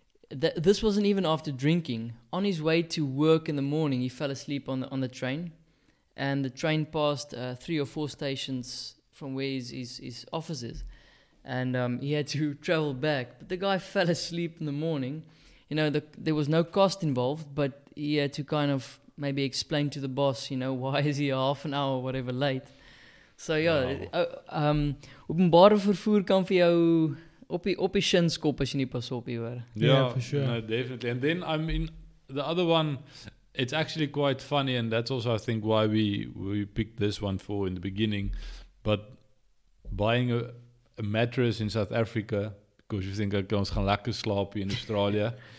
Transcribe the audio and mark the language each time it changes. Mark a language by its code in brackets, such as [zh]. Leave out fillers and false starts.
[en] This wasn't even after drinking. On his way to work in the morning, he fell asleep on the train, and the train passed three or four stations from where his office is, and he had to travel back. But the guy fell asleep in the morning. You know, there was no cost involved, but he had to kind of maybe explain to the boss, you know, why is he half an hour or whatever late. [af] So yeah, openbare vervoer kan vir jou op die shin skop as jy nie pas op hieroor. [en] Yeah, for sure. No, definitely. And then, I mean, the other one, it's actually quite funny, and that's also, I think, why we picked this one for in the beginning. But buying a mattress in South Africa, because you think, okay, [af] ons gaan lekker slaap hier in Australia,